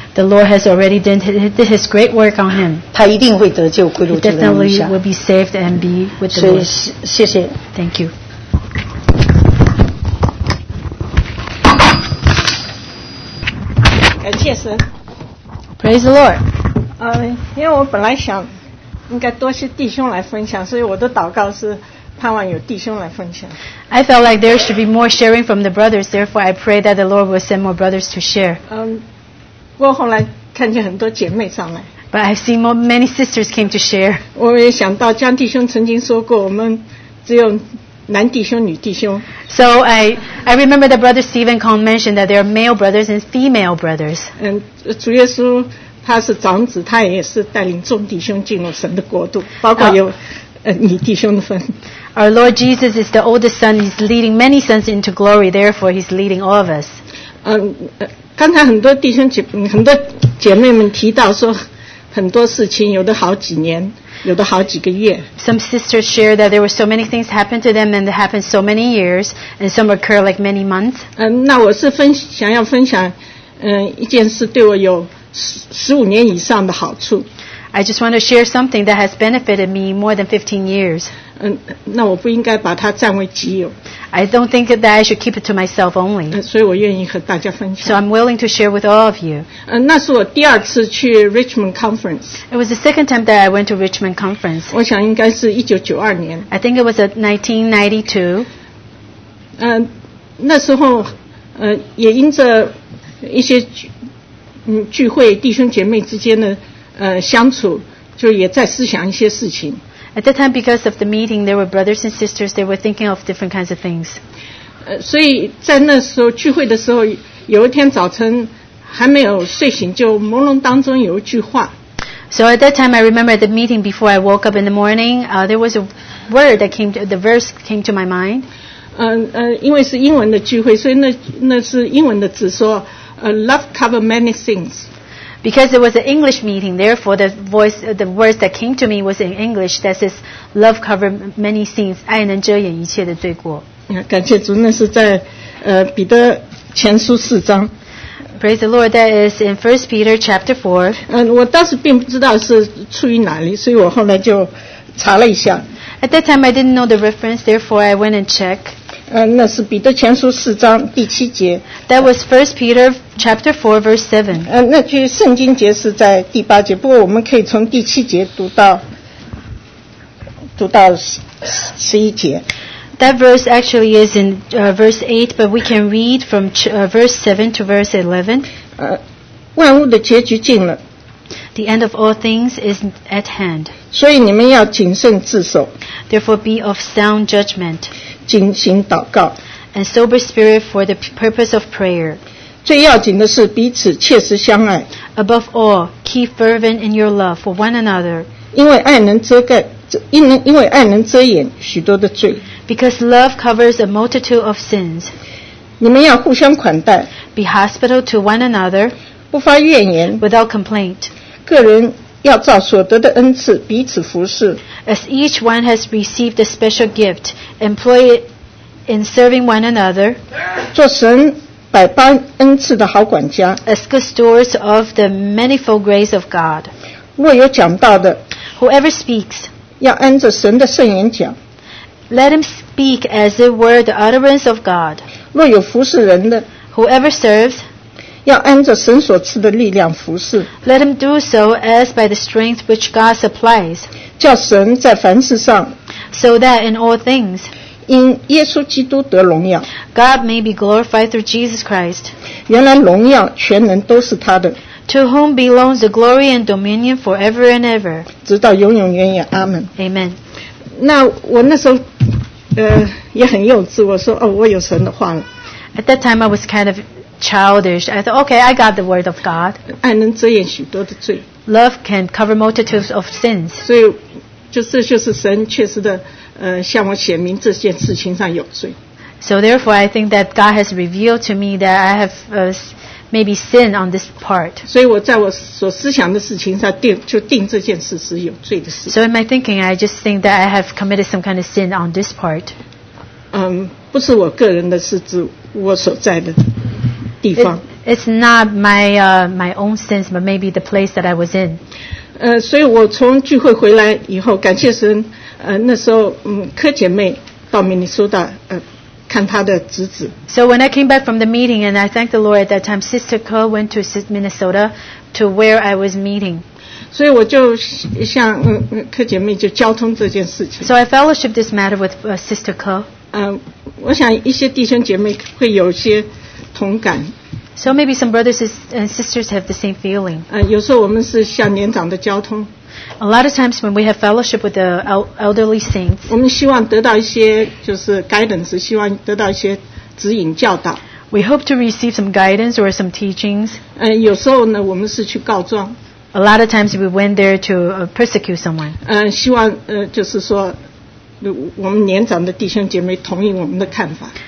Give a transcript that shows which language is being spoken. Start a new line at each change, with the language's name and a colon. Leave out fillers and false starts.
English: the Lord has already done his great work on him.
Chinese: 他一定会得救归入主的名下。
English: He definitely will be saved and be with the Lord.
Chinese: 谢谢。
English: Thank you.
Chinese: 感谢神。
English: Praise the Lord。
Chinese: 因为我本来想应该多些弟兄来分享，所以我的祷告是盼望有弟兄来分享。
English: I felt like there should be more sharing from the brothers, therefore I pray that the Lord will send more brothers to share.
Chinese: 我后来看见很多姐妹上来。
English: But I've seen more, many sisters came to share.
Chinese: 我也想到江弟兄曾经说过，我们只有男弟兄、女弟兄。
English: So I remember that Brother Stephen Kong mentioned that there are male brothers and female brothers.
Chinese: 主耶稣他是长子，他也是带领众弟兄进入神的国度，包括有你弟兄的份。
English: Our Lord Jesus is the oldest son. He's leading many sons into glory. Therefore, he's leading all of us.
Chinese: 刚才很多弟兄很多姐妹们提到说。很多事情有的好几年，有的好几个月。
English: Some sisters share that there were so many things happened to them, and it happened so many years, and some occur like many months.
Chinese: 那我是想要分享，一件事对我有15年以上的好处。
English: I just want to share something that has benefited me more than 15 years.
Chinese: 那我不应该把它占为己有。
English: I don't think that I should keep it to myself only.
Chinese: 所以我愿意和大家分享。
English: So I'm willing to share with all of you.
Chinese: 那是我第二次去 Richmond Conference.
English: It was the second time that I went to Richmond Conference.
Chinese: 我想应该是1992年。
English: I think it was 1992.
Chinese: 那时候，也因着一些聚会弟兄姐妹之间的相处，就也在思想一些事情。
English: At that time, because of the meeting, there were brothers and sisters. They were thinking of different kinds of things.
Chinese: 所以在那时候聚会的时候，有一天早晨还没有睡醒，就朦胧当中有一句话。
English: So at that time, I remember at the meeting before I woke up in the morning, there was a word that came to, the verse came to my mind.
Chinese: 因为是英文的聚会，所以那是英文的字说， love covers many things.
English: Because it was an English meeting, therefore the words that came to me was in English that says, love covers many sins, 爱能遮掩一切的罪过。
Chinese: 感谢主，那是在彼得前书四章。
English: Praise the Lord, that is in 1 Peter chapter 4.
Chinese: 我当时并不知道是出于哪里，所以我后来就查了一下。
English: At that time, I didn't know the reference, therefore I went and checked.
Chinese: 那是彼得前书四章第七节。
English: That was 1 Peter chapter 4 verse 7.
Chinese: 那句圣经节是在第八节，不过我们可以从第七节读到11节。
English: That verse actually is in verse 8, but we can read from verse 7 to verse 11.
Chinese: 万物的结局近了。
English: The end of all things is at hand.
Chinese: 所以你们要谨慎自守。
English: Therefore be of sound judgment.
Chinese: 警醒祷告。
English: And sober spirit for the purpose of prayer.
Chinese: 最要紧的是彼此切实相爱。
English: Above all, keep fervent in your love for one another.
Chinese: 因为爱能遮掩许多的罪。
English: Because love covers a multitude of sins.
Chinese: 你们要互相款待。
English: Be hospitable to one another.
Chinese: 不发怨言。
English: Without complaint.
Chinese: 个人要照所得的恩赐彼此服侍。
English: As each one has received a special gift, employ it in serving one another.
Chinese: 做神百般恩赐的好管家。
English: As good stewards of the manifold grace of God.
Chinese: 若有讲道的。
English: Whoever speaks.
Chinese: 要按着神的圣言讲。
English: Let him speak as it were the utterance of God.
Chinese: 若有服侍人的。
English: Whoever serves.
Chinese: 要按着神所赐的力量服事。
English: Let him do so as by the strength which God supplies.
Chinese: 叫神在凡事上。
English: So that in all things.
Chinese: 因耶稣基督得荣耀。
English: God may be glorified through Jesus Christ.
Chinese: 原来荣耀全能都是他的。
English: To whom belongs the glory and dominion forever and ever.
Chinese: 直到永永远远，阿们。
English: Amen.
Chinese: 那我那时候，也很幼稚，我说哦，我有神的话了。
English: At that time, I was kind of. Childish. I thought, okay, I got the word of God.
Chinese: 爱能遮掩许多的罪。
English: Love can cover multitudes of sins.
Chinese: 所以，就是神确实的，向我显明这件事情上有罪。
English: So therefore, I think that God has revealed to me that I have maybe sin on this part.
Chinese: 所以我在我所思想的事情上定这件事是有罪的事。
English: So in my thinking, I just think that I have committed some kind of sin on this part.
Chinese: 不是我个人的，是指我所在的。
English: It's not my own sins, but maybe the place that I was in.
Chinese: 所以我从聚会回来以后，感谢神。那时候，柯姐妹到明尼苏达，看她的侄子。
English: So when I came back from the meeting, and I thanked the Lord at that time, Sister Ko went to Minnesota to where I was meeting.
Chinese: 所以我就向柯姐妹就交通这件事情。
English: So I fellowshiped this matter with Sister Ko.
Chinese: 我想一些弟兄姐妹会有些同感。
English: So maybe some brothers and sisters have the same feeling.
Chinese: 有时候我们是向年长的交通。
English: A lot of times when we have fellowship with the elderly saints,
Chinese: 我们希望得到一些就是 guidance, 希望得到一些指引教导。
English: We hope to receive some guidance or some teachings.
Chinese: 有时候呢，我们是去告状。
English: A lot of times we went there to persecute someone.
Chinese: 希望就是说，我们年长的弟兄姐妹同意我们的看法。